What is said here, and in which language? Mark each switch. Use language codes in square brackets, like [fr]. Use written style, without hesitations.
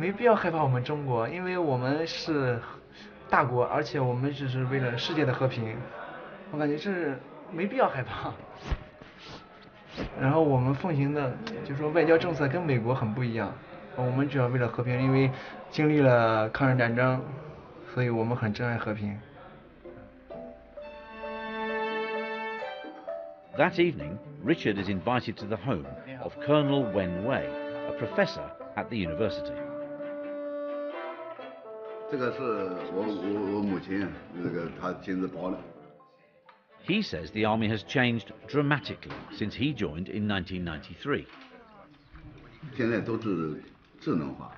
[zh] 害怕，我感觉没必要害怕我们中国，因为我们是 大国，而且我们只是为了世界的和平，我感觉这没必要害怕。然后我们奉行的，就是说外交政策跟美国很不一样，我们主要为了和平，因为经历了抗日战争，所以我们很珍爱和平。That [en] evening, Richard is invited to the home of Colonel Wen Wei, a professor at the university. [zh] 这个是我母亲，这个她亲自包的。He [en] says the army has changed dramatically since he joined in 1993.